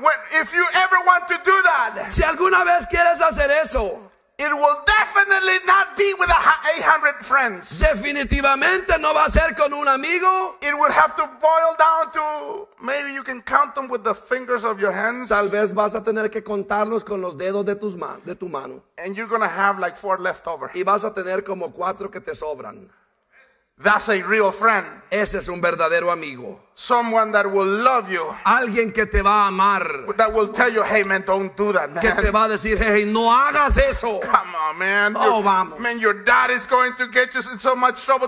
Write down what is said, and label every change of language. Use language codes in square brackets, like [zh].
[en] When, if you ever want to do that, [es] si alguna vez quieres hacer eso, [en] it will definitely not be with 800 friends. [es] Definitivamente no va a ser con un amigo. [en] It would have to boil down to maybe you can count them with the fingers of your hands. [es] Tal vez vas a tener que contarlos con los dedos de tu mano. [en] And you're going to have like 4 left over. [es] Y vas a tener como 4 que te sobran. [en] That's a real friend. [es] Ese es un verdadero amigo. [en] Someone that will love you. [es] Alguien que te va a amar. [en] That will tell you, hey man, don't do that, man. [es] Que te va a decir, hey, no hagas eso. [en] Come on, man. [es] Oh, vamos. [en] Man, your dad is going to get you in so much trouble.